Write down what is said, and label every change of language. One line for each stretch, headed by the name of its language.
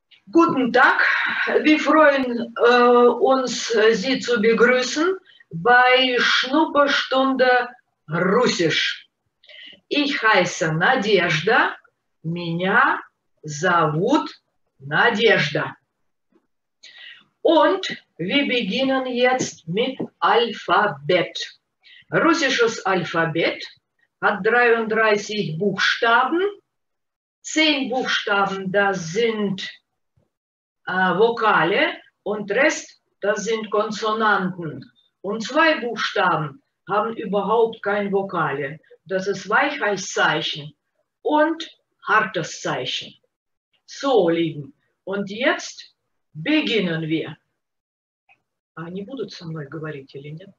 German: Guten Tag, wir freuen uns, Sie zu begrüßen bei Schnupperstunde Russisch. Ich heiße Надежда,
Russian: меня зовут Надежда.
German: Und wir beginnen jetzt mit Alphabet. Russisches Alphabet hat 33 Buchstaben. 10 Buchstaben, das sind Vokale und Rest, das sind Konsonanten. Und 2 Buchstaben haben überhaupt kein Vokale. Das ist Weichheitszeichen und hartes Zeichen. So, Lieben, und jetzt beginnen wir.
Russian: Они будут со мной говорить или нет?